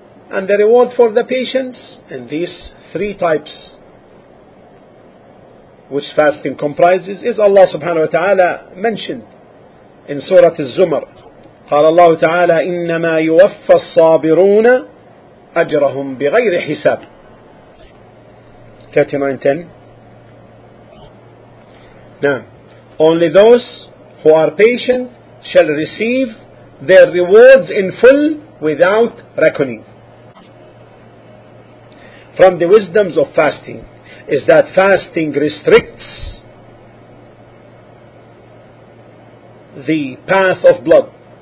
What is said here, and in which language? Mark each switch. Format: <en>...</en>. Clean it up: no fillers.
<en>And the reward for the patience in these three types which fasting comprises is Allah subhanahu wa ta'ala mentioned in Surah Az-Zumar.</en> <ar>قال الله تعالى إنما يوفى الصابرون أجرهم بغير حساب 39:10.</ar> <en>Now, only those who are patient shall receive their rewards in full without reckoning. From the wisdoms of fasting is that fasting restricts the path of blood.</en>